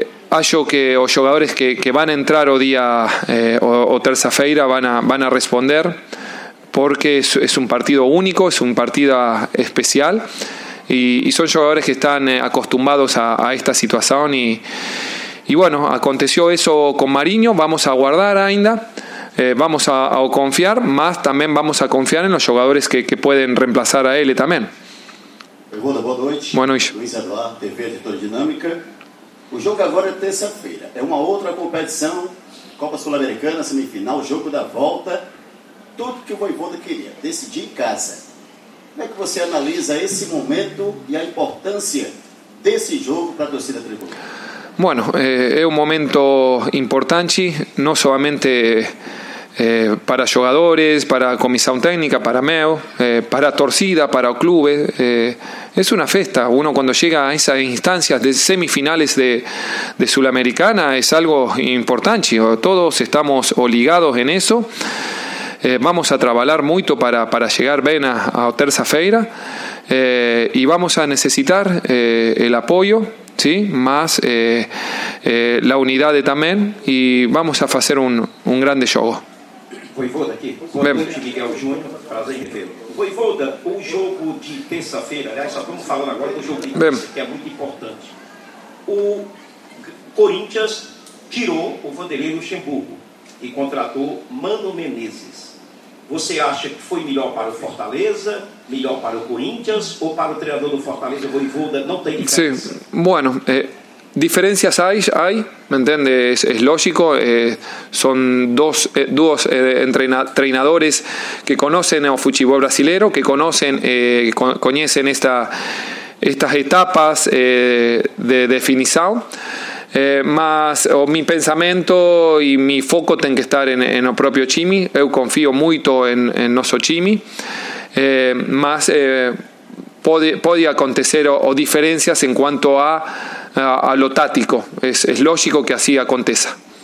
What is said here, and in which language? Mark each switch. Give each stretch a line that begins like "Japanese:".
Portuguese: Acho que
Spanish: los jugadores que van a entrar o día o
Portuguese: terza feira
Spanish: van a responder, porque es un partido único, es un partido especial, y son jugadores que están acostumbrados a esta situación. Y bueno, aconteció eso con Marinho. Vamos a
Portuguese: aguardar ainda,
Spanish: vamos a confiar, más también vamos a confiar en los jugadores que pueden reemplazar a él también.
Portuguese: Pregunta, boa noite. Boa noite. Luiz Eduardo, TV Editor Dinâmica. O jogo agora é terça-feira, é uma outra competição, Copa Sul-Americana, semifinal, jogo da volta, tudo que o Vojvoda queria, decidir em casa. Como é que você analisa esse momento e a importância desse jogo para a torcida tribuna?
Spanish: Bueno, es un momento importante, no solamente para jugadores, para comisión técnica, para Meo, para torcida, para clubes. Es una fiesta. Uno cuando llega a esas instancias de semifinales de Sudamericana, es algo importante. Todos estamos ligados en eso. Vamos a trabajar mucho para llegar bien a
Portuguese: terza feira,
Spanish: y vamos a necesitar el apoyo. Sí, más la unidad también, y vamos a hacer un grande juego.
Portuguese: Voivoda aquí, boa noite, Miguel Júnior, prazer em tê-lo. Voivoda, o jogo de terça-feira, aliás, só estamos falando agora do jogo de terça, que é muito importante. O Corinthians tirou o Vanderlei Luxemburgo e contratou Mano Menezes. Você acha que foi melhor para o Fortaleza, melhor para o Corinthians ou para o treinador do Fortaleza, Voivoda, não tem diferença?
Spanish: Sim, bueno, diferencias hay, ¿me entiendes? Es lógico, son dos entrenadores que conocen el fútbol brasileño, que conocen conocen estas etapas de definición.
Portuguese: Mas o mi pensamento e mi foco tem que estar en o propio time. Eu confio muito en nosso time, mas pode acontecer o
Spanish: diferencias en cuanto a lo tático. Es lógico que así aconteça.